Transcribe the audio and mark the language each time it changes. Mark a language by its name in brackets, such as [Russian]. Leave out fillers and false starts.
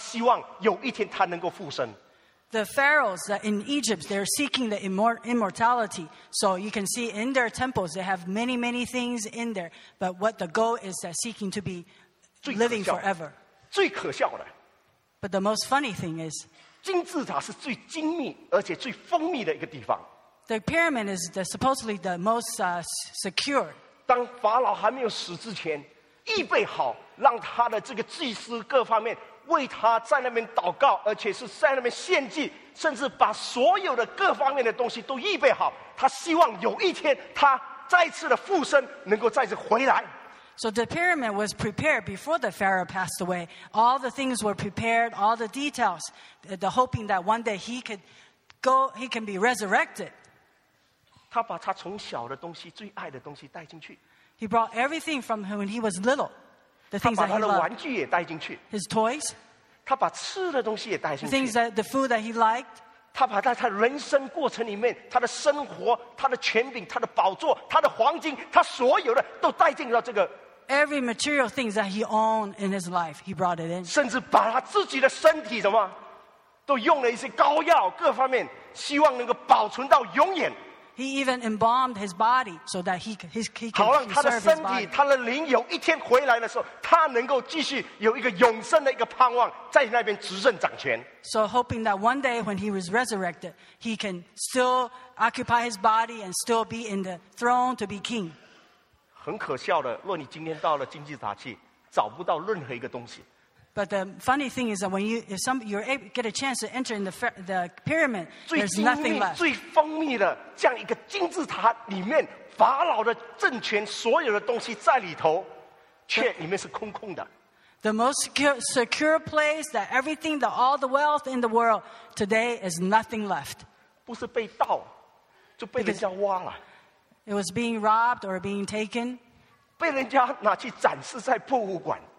[Chinese] 有法老他愿意敬虔他整个生命愿意摆上在里面他希望他能够有永生的生命而且因着这个缘故他在这一个金字塔里面能够埋葬而且是用香料把他的身体能够包得好好他希望有一天他能够复生。 [English] The pharaohs that in Egypt, they're seeking the immortality. So you can see in their temples, they have many, many things in there. But what the goal is that seeking to be living forever. [Chinese] 最可笑的, [English] but the most funny thing is, [Chinese] 金字塔是最精密而且最锋利的一个地方。 [English] The pyramid is the supposedly the most secure. [Chinese] 当法老还没有死之前, 预备好让他的这个祭司各方面 为他在那边祷告，而且是在那边献祭，甚至把所有的各方面的东西都预备好。他希望有一天他再次的复生，能够再次回来。 [English] So the pyramid was prepared before the Pharaoh passed away. All the things were prepared, all the details, the hoping that one day he could go, he can be resurrected. [Chinese] 他把他从小的东西、最爱的东西带进去。 [English] He brought everything from when he was little, the things that he loved. [Chinese] 他把他的玩具也带进去。 [English] His toys. [Chinese] 他把吃的东西也带进去。 [English] The things that the food that he liked. [Chinese] 他把在他人生过程里面，他的生活，他的权柄，他的宝座，他的黄金，他所有的都带进到这个。 [English] Every material things that he owned in his life, he brought it in. [Chinese] 甚至把他自己的身体什么，都用了一些膏药，各方面，希望能够保存到永远。 [English] He even embalmed his body so that he can [Chinese] 好让他的身体, [English] serve his body. [Chinese] 他的灵有一天回来的时候, 他能够继续有一个永生的一个盼望, 在那边执政掌权。 [English] So hoping that one day when he was resurrected, he can still occupy his body and still be in the throne to be king. [Chinese] 很可笑的, 若你今天到了金字塔去, 找不到任何一个东西。 [English] But the funny thing is that when you get a chance to enter in the pyramid, there's nothing left. [Chinese] 最锋密的这样一个金字塔里面，法老的政权所有的东西在里头，却里面是空空的。 [English] The most secure place that everything, that all the wealth in the world today is nothing left. [Chinese] 不是被盗，就被人家挖了。 [English] It was being robbed or being taken. [Chinese] 被人家拿去展示在博物馆。